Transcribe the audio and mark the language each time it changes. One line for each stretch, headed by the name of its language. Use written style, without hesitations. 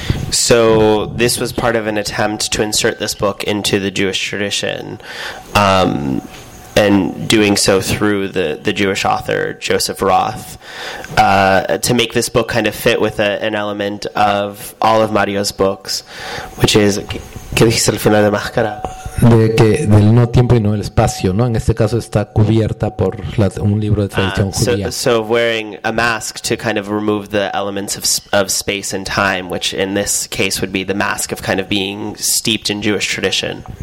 English: So this was part of an attempt to insert this book into the Jewish tradition, and doing so through the Jewish author Joseph Roth, to make this book kind of fit with an element of all of Mario's books, which is
Spanish: ¿qué dijiste al final de máscara? De que del no tiempo y no el espacio, ¿no? En este caso está cubierta por un libro de tradición judía.
English: So wearing a mask to kind of remove the elements of space and time, which in this case would be the mask of kind of being steeped in Jewish tradition.